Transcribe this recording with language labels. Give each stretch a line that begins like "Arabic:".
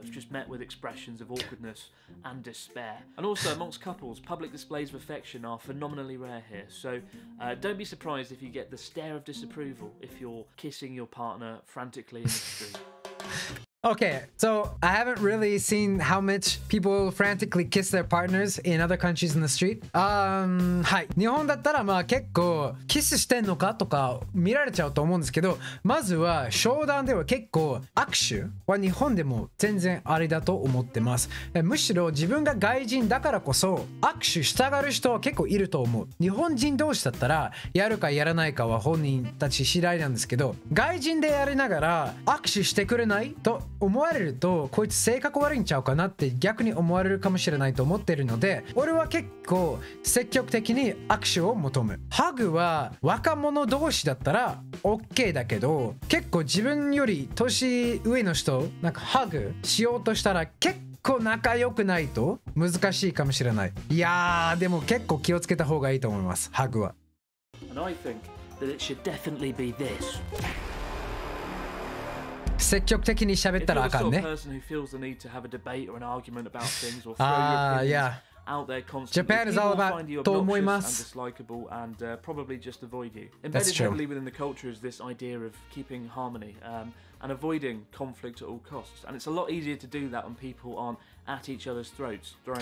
English: It's just met with expressions of awkwardness and despair. And also, amongst couples, public displays of affection are phenomenally rare here. So don't be surprised if you get the stare of disapproval if you're kissing your partner frantically in the street. Okay, so I haven't really seen how much people frantically kiss their partners in other countries in the street.
Japanese: はい。日本だったらまあ結構キスしてんのかとか見られちゃうと思うんですけど、まずは商談では結構握手は日本でも全然あれだと思ってます。むしろ自分が外人だからこそ握手したがる人は結構いると思う。日本人同士だったらやるかやらないかは本人たち次第なんですけど、外人でやりながら握手してくれないと思われるとこいつ性格悪いんちゃうかなって逆に思われるかもしれないと思ってるので、俺は結構積極的に握手を求む。ハグは若者同士だったら OK だけど、結構自分より年上の人なんかハグしようとしたら結構仲良くないと難しいかもしれない。いやーでも結構気をつけた方がいいと思います、ハグは。
English: And I think that it should definitely be this.
Japanese: 積極的に喋ったらあかんね。
English: If you're a person who feels the need to have a debate or an argument about things or throw your opinions out there constantly, Japan is all about
Japanese: と思います。
English: And dislikable and probably just avoid you. That's true. Embedded within the culture is this idea of keeping harmony. And avoiding conflict at all costs. And it's a lot easier to do that when people aren't at each other's throats.